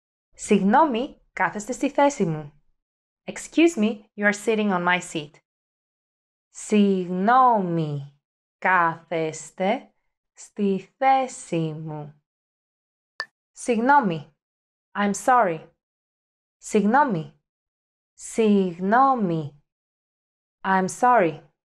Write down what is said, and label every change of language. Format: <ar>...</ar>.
<el>Συγγνώμη, κάθεστε στη θέση μου.</el> <en>Excuse me, you are sitting on my seat.</en> <el>Συγγνώμη, κάθεστε στη θέση μου. Συγγνώμη,</el> <en>I'm sorry.</en> <el>Συγγνώμη. Συγγνώμη.</el> <en>I'm sorry.</en>